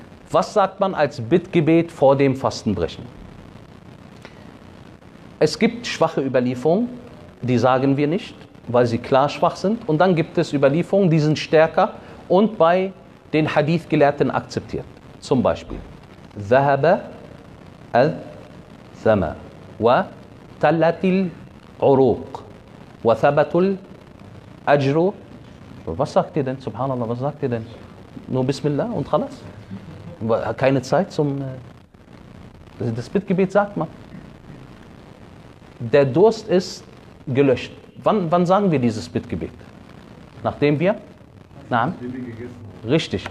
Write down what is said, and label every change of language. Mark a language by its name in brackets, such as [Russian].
[German] Was sagt man als Bittgebet vor dem Fastenbrechen? Es gibt schwache Überlieferungen, die sagen wir nicht, weil sie klar schwach sind. Und dann gibt es Überlieferungen, die sind stärker und bei den Hadith-Gelehrten akzeptiert. Zum Beispiel, [Arabic] ذهب الثمى وتلت العروق وثبت الأجر. [German] Was sagt ihr denn? Subhanallah, was sagt ihr denn? Nur Bismillah und Khalas? Keine Zeit zum... Das Bittgebet sagt man. Der Durst ist gelöscht. Wann sagen wir dieses Bittgebet? Nachdem wir? Nein. Richtig.